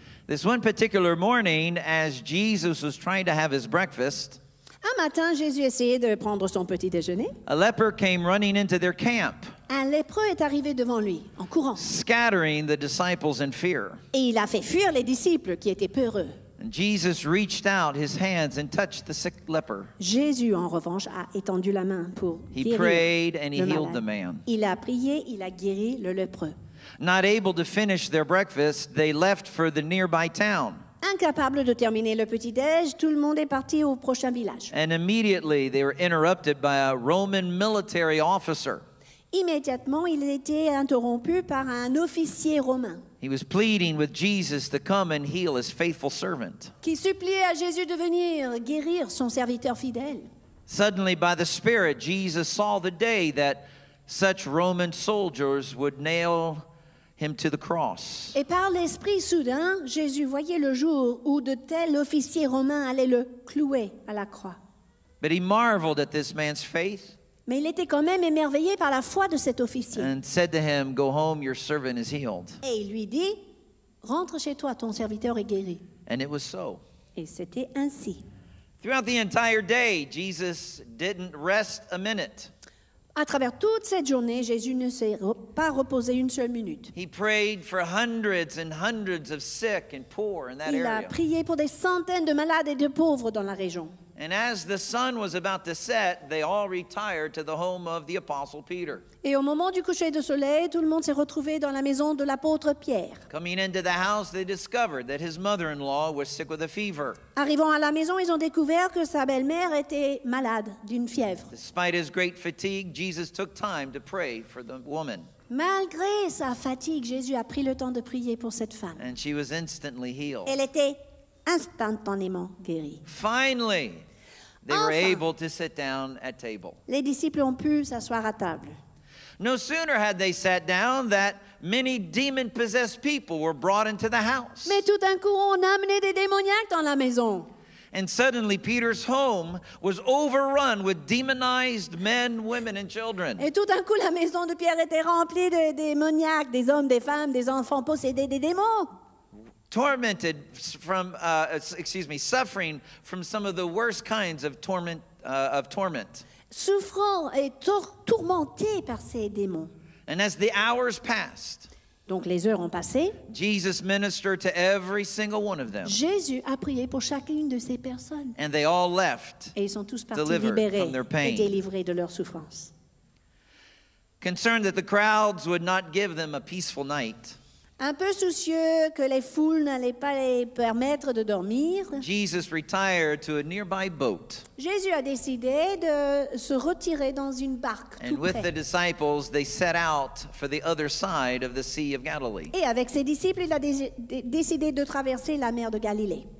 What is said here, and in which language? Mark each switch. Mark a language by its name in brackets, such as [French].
[English] This one particular morning, as Jesus was trying to have his breakfast. [French] Un matin, Jésus essayait de prendre son petit déjeuner. [English] A leper came running into their camp. [French] Un lépreux est arrivé devant lui, en courant. [English] Scattering the disciples in fear. [French] Et il a fait fuir les disciples qui étaient peureux. [English] And Jesus reached out his hands and touched the sick leper. [French] Jésus, en revanche, a étendu la main pour guérir le malade. [English] He prayed and he healed the man. [French] Il a prié, il a guéri le lépreux. [English] Not able to finish their breakfast, they left for the nearby town. [French] Incapable de terminer le petit déj, tout le monde est parti au prochain village. [English] And immediately they were interrupted by a Roman military officer. [French] Immédiatement, il était interrompu par un officier romain. [English] He was pleading with Jesus to come and heal his faithful servant. [French] Qui suppliait à Jésus de venir guérir son serviteur fidèle. [English] Suddenly, by the Spirit, Jesus saw the day that such Roman soldiers would nail him to the cross. [French] Et par l'Esprit, soudain, Jésus voyait le jour où de tels officiers romains allaient le clouer à la croix. [English] But he marveled at this man's faith. [French] Mais il était quand même émerveillé par la foi de cet officier. [English] And said to him, "Go home, your servant is healed." [French] Et il lui dit, rentre chez toi, ton serviteur est guéri. [English] And it was so. [French] Et c'était ainsi. [English] Throughout the entire day, Jesus didn't rest a minute. [French] À travers toute cette journée, Jésus ne s'est pas reposé une seule minute. [English] He prayed for hundreds and hundreds of sick and poor in that area. [French] Il a prié pour des centaines de malades et de pauvres dans la région. [English] And as the sun was about to set, they all retired to the home of the apostle Peter. [French] Et au moment du coucher de soleil, tout le monde s'est retrouvé dans la maison de l'apôtre Pierre. [English] Coming into the house, they discovered that his mother-in-law was sick with a fever. [French] Arrivant à la maison, ils ont découvert que sa belle-mère était malade d'une fièvre. [English] Despite his great fatigue, Jesus took time to pray for the woman. [French] Malgré sa fatigue, Jésus a pris le temps de prier pour cette femme. [English] And she was instantly healed. [French] Elle était instantanément guéri. [English] Finally, they were able to sit down at table. [French] Les disciples ont pu s'asseoir à table. [English] No sooner had they sat down that many demon-possessed people were brought into the house. [French] Mais tout d'un coup, on a amené des démoniaques dans la maison. [English] And suddenly, Peter's home was overrun with demonized men, women, and children. [French] Et tout d'un coup, la maison de Pierre était remplie de démoniaques, des hommes, des femmes, des enfants possédés des démons. [English] Tormented from, suffering from some of the worst kinds of torment. [French] Souffrant et tourmenté par ces démons. [English] And as the hours passed, [French] donc les heures ont passé, [English] Jesus ministered to every single one of them. [French] Jésus a prié pour chacune de ces personnes. [English] And they all left, [French] et ils sont tous partis libérés et délivrés de leur souffrance. [English] Concerned that the crowds would not give them a peaceful night, [French] un peu soucieux que les foules n'allaient pas les permettre de dormir, [English] Jesus retired to a nearby boat. [French] Jésus a décidé de se retirer dans une barque tout près. [English] With the disciples, they set out for the other side of the Sea of Galilee. [French] Et avec ses disciples, il a décidé de traverser la mer de Galilée.